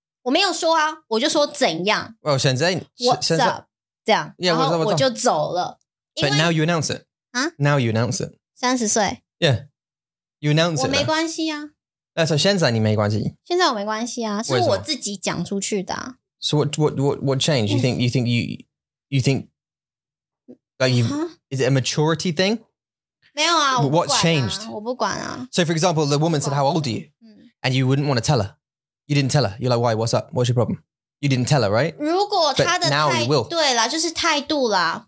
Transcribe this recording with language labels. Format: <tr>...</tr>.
<zh>我没有说啊，我就说怎样？</zh> <en>Well,</en> <zh>现在</zh> <en>What's up？</en> <zh>这样，然后我就走了。</zh> <en>But now you announce it. 啊? Now you announce it.</en> <zh>30岁。</zh> <en>Yeah. You announce it.</en> <zh>我没关系啊。</zh> <en>So</en> <zh>现在你没关系? 现在我没关系啊,是我自己讲出去的啊。</zh> <en>So what changed? You think like you, is it a maturity thing? 没有啊,我不管啊。 What changed? 我不管啊。 So for example, the woman said, how old are you? And you wouldn't want to tell her. You didn't tell her. You're like, why? What's up? What's your problem? You didn't tell her, right?</en> <zh>如果他的态度啦，就是态度啦。</zh>